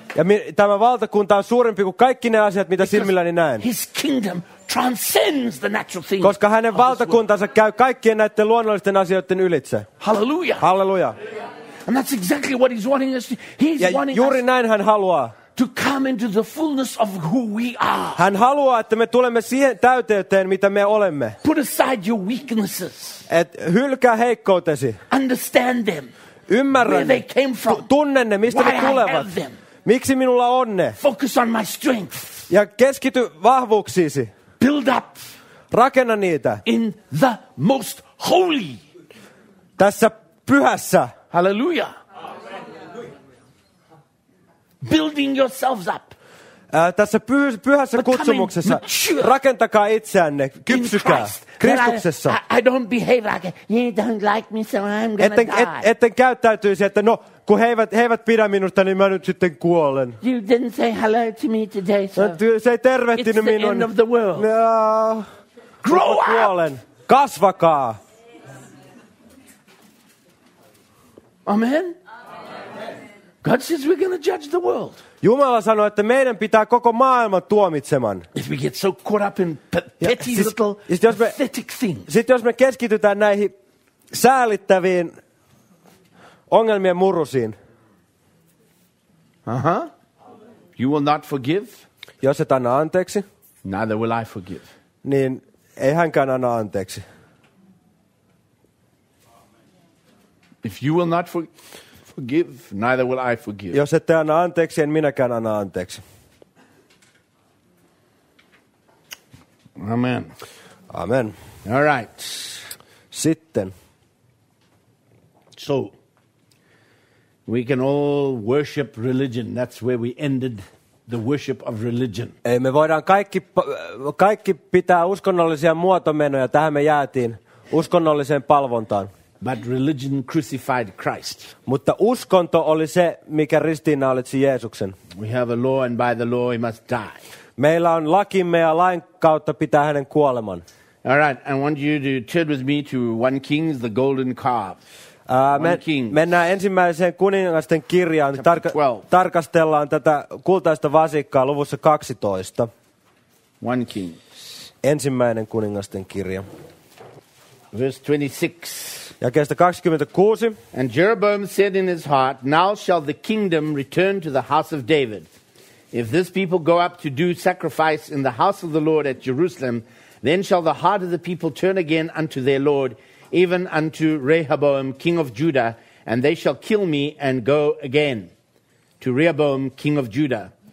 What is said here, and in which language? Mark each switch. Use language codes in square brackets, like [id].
[fi] Ja tämä valtakunta on suurempi kuin kaikki ne asiat, mitä silmilläni näen. [en] His kingdom transcends the natural things. [fi] Koska hänen valtakuntansa käy kaikkien näiden luonnollisten asioiden ylitse. Hallelujah. Hallelujah. [en] And that's exactly what he's wanting us to. He's wanting [fi] juuri näin hän haluaa. [en] To come into the fullness of who we are. [fi] Hän haluaa, että me tulemme siihen täyteyteen, mitä me olemme. [en] Put aside your weaknesses. [fi] Et hylkää heikkoutesi. [en] Understand them. [fi] Ymmärrä [en] where they came from. [fi] Tunne ne, mistä [en] why [fi] ne tulevat. [en] I have them. [fi] Miksi minulla on ne? [en] Focus on my strength. [fi] Ja keskity vahvuuksiisi. [en] Build up. [fi] Rakenna niitä. [en] In the most holy. [fi] Tässä pyhässä. [en] Hallelujah. Building yourselves up. [fi] tässä pyhässä kutsumuksessa rakentakaa itseänne, kypsykää Kristuksessa. [en] I don't behave like it. You don't like me, so I'm gonna die. [fi] Etten käyttäytyisi, että no, kun he eivät pidä minusta, niin mä nyt sitten kuolen. [en] You didn't say hello to me today, so [fi] se ei tervehtinyt minun. [en] It's the end of the world. No. Grow up! [fi] Kuolen. Kasvakaa. Amen. [en] God says we're going to judge the world. [fi] Jumala sanoi, että meidän pitää koko maailman tuomitseman. [en] If we get so caught up in petty little pathetic things. [fi] Sitten jos me keskitytään näihin säälittäviin ongelmien murusiin. [en] Uh-huh. You will not forgive. [fi] Jos et anna anteeksi. [en] Neither will I forgive. [fi] Niin ei hänkään anna anteeksi. [en] If you will not forgive, neither will I forgive. [fi] Jos ette anna anteeksi, en minäkään anna anteeksi. Amen. Amen. [en] All right. [fi] Sitten. [en] So, we can all worship religion. That's where we ended the worship of religion. [fi] Ei, me voidaan kaikki pitää uskonnollisia muotomenoja. Tähän me jäätiin uskonnolliseen palvontaan. [en] But religion crucified Christ. [fi] Mutta uskonto oli se, mikä ristiinnaulitsi Jeesuksen. [en] We have a law, and by the law he must die. [fi] Meillä on lakimme ja lain kautta pitää hänen kuoleman. [en] All right, I want you to turn with me to 1 Kings, the golden calf. [fi] Mennään ensimmäiseen kuningasten kirjaan. Tarkastellaan tätä kultaista vasikkaa luvussa 12. [en] 1 Kings. [fi] Ensimmäinen kuningasten kirja. [en] Verse 26. [fi] Ja kestä 26. [en] And Jeroboam said in his heart, now shall the kingdom return to the house of David. If this people go up to do sacrifice in the house of the Lord at Jerusalem, then shall the heart of the people turn again unto their Lord, even unto Rehoboam, king of Judah, and they shall kill me and go again to Rehoboam, king of Judah.